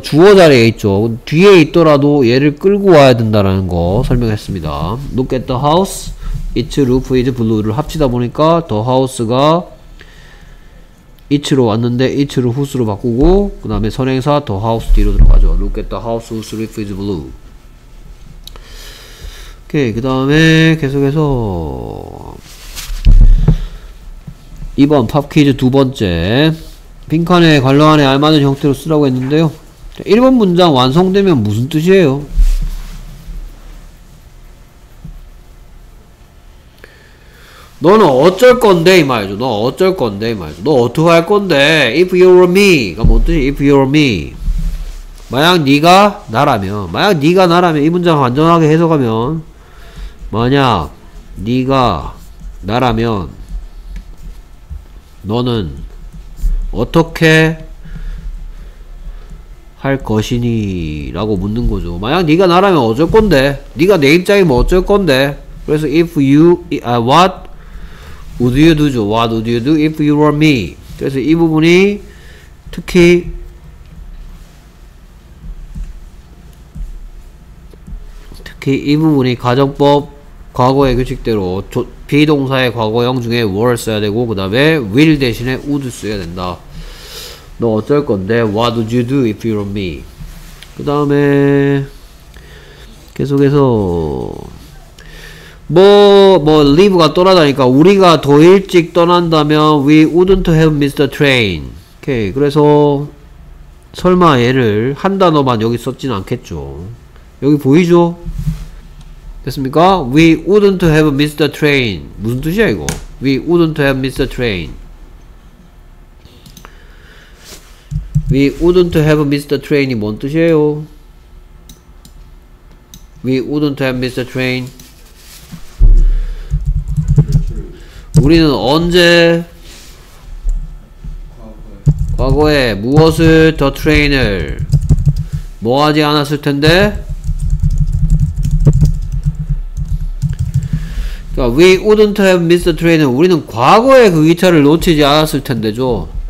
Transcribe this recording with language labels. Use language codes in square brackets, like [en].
[ko] 주어 자리에 있죠. 뒤에 있더라도 얘를 끌고 와야 된다라는 거 설명했습니다. [en] Look at the house. Its roof is blue [ko] 를 합치다 보니까 the house가 it로 왔는데 it로 whose로 바꾸고 그 다음에 선행사 the house 뒤로 들어가죠. [en] Look at the house whose roof is blue. [ko] 오케이. 그 다음에 계속해서 2번 팝 퀴즈 두 번째 빈칸에 관로안에 알맞은 형태로 쓰라고 했는데요. 1번 문장 완성되면 무슨 뜻이에요? 너는 어쩔 건데 이 말이죠. 너 어쩔 건데 이 말이죠. 너 어떻게 할 건데? [en] If you're me [ko] 가 뭔 뜻이? If you're me, 만약 네가 나라면, 만약 네가 나라면 이 문장 완전하게 해석하면, 만약 네가 나라면 너는 어떻게 할 것이니라고 묻는 거죠. 만약 네가 나라면 어쩔 건데? 네가 내 입장이면 어쩔 건데? 그래서 [en] if you what Would you do? What would you do if you were me? [ko] 그래서 이 부분이 특히 이 부분이 가정법 과거의 규칙대로 비동사의 과거형 중에 were 써야 되고 그 다음에 will 대신에 would 써야 된다. 너 어쩔 건데? [en] What would you do if you were me? [ko] 그 다음에 계속해서 leave가 떠나다니까 우리가 더 일찍 떠난다면 [en] we wouldn't have missed the train. [ko] 오케이. 그래서 설마 얘를 한 단어만 여기 썼진 않겠죠. 여기 보이죠? 됐습니까? [en] We wouldn't have missed the train. [ko] 무슨 뜻이야 이거? [en] We wouldn't have missed the train. We wouldn't have missed the train [ko] 이 뭔 뜻이에요? [en] We wouldn't have missed the train. [ko] 우리는 언제 과거에 무엇을 더 트레인을 뭐 하지 않았을 텐데 그러니까 [en] we wouldn't have missed the train [ko] 을 우리는 과거에 그 기차를 놓치지 않았을 텐데죠.